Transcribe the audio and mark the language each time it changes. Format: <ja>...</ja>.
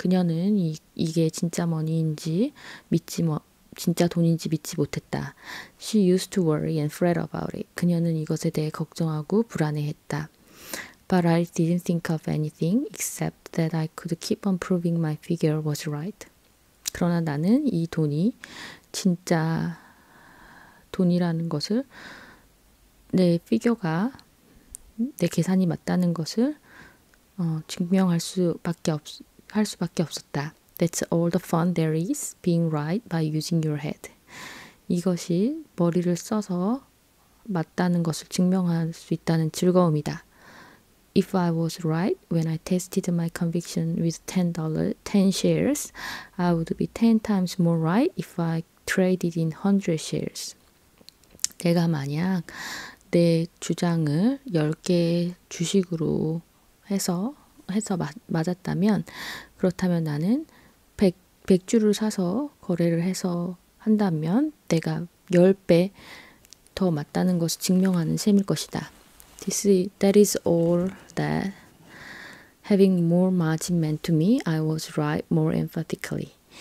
<ko>그녀는 이게 진짜 머니인지 믿지 뭐 진짜 돈인지 믿지 못했다.</ko> <en>She used to worry and fret about it.</en> <ko>그녀는 이것에 대해 걱정하고 불안해했다.</ko> <en>But I didn't think of anything except that I could keep on proving my figure was right.</en> <ko>그러나 나는 이 돈이 진짜 돈이라는 것을 내 계산이 맞다는 것을 증명할 수밖에 할 수밖에 없었다.</ko> <en>That's all the fun there is being right by using your head.</en> <ko>이것이 머리를 써서 맞다는 것을 증명할 수 있다는 즐거움이다.</ko> <en>If I was right when I tested my conviction with ten shares, I would be 10 times more right if I traded in 100 shares.</en> <ko>내가 만약 내 주장을 10개 주식으로 해서 맞았다면, 그렇다면 나는 100주를 사서 거래를 해서 한다면 내가 10배 더 맞다는 것을 증명하는 셈일 것이다.</ko> <en>That is all that having more margin meant to me, I was right more emphatically.</en>